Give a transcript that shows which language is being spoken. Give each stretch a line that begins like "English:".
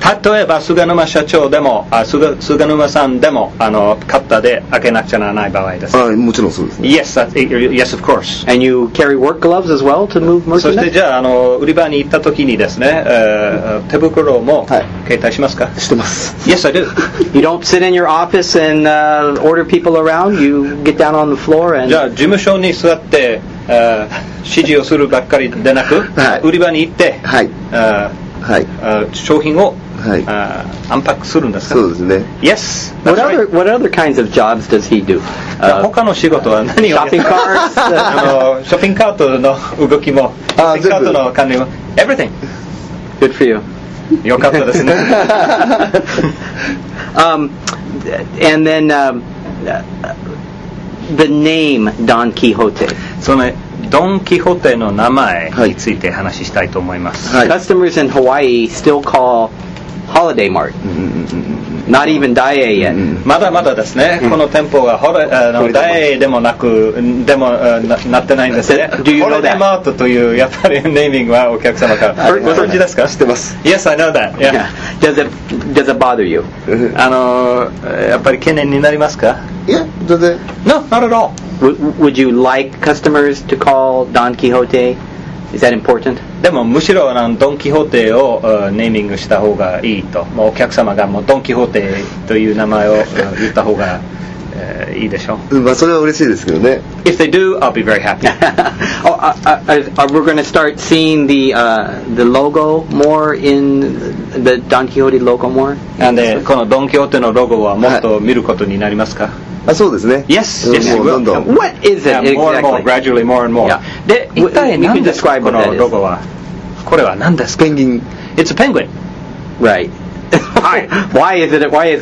Japanese: 例えば菅沼社長でも菅沼さんでもあのカッターで開けなくちゃならない場合です。はい、もちろんそうです、ね。
English: Yes, yes, of course. And you carry work gloves as well to move merchandise?
Japanese: そしてじゃ あの売り場に行った時にですね、手袋も携帯しますか？はい、してます。
English: Yes, I do. You don't sit in your office and order people around. You get down on the floor and
Japanese: じゃあ事務所に座って指示をするばっかりでなく、はい、売り場に行って、はい。はい、商品を、はい、アンパックするんですか。そうですね。
English: Yes. What other kinds of jobs does he do?
Japanese: 他の仕事は何を。
English: Shopping carts.
Japanese: ショッピングカートの動きも、ショッピングカートの管理も、
English: everything. Good for you.
Japanese: よかったですね。
English: and then the name Don Quixote.
Japanese: そのドン・キホーテの名前について話したいと思います、はい、
English: Customers in Hawaii still call Holiday Mart、うん、Not even Daiei yet、うん、
Japanese: まだまだですね、うん、この店舗はDaiei でもなくでも なってないんですね。
English: Do you know that?
Japanese: Holiday Mart というやっぱりネーミングはお客様からご存知ですか？知ってます。
English: Yes, I know that、yeah. Yeah. Does it bother you?
Japanese: やっぱり懸念になりますか？
English: Yeah, does it? No, not at all. Would you like customers to call Don Quixote? Is that important?
Japanese: でもむしろあのドンキホーテをネーミングした方がいいと、もうお客様がもうドンキホーテという名前を言った方がいいでしょう。まあそれは嬉しいですけどね。
English: If they do, I'll be very happy. we're going to start seeing the logo more in the Don Quixote logo more.
Japanese: なんでこのドンキホーテのロゴはもっと見ることになりますか？あ、そうですね。
English: Yes, yes, we will. What is it exactly? More and more, gradually, more and more.
Japanese: で、一体何ですか？このロゴは。これは何ですか？ペンギン。
English: It's a penguin. Right. Why is it a penguin?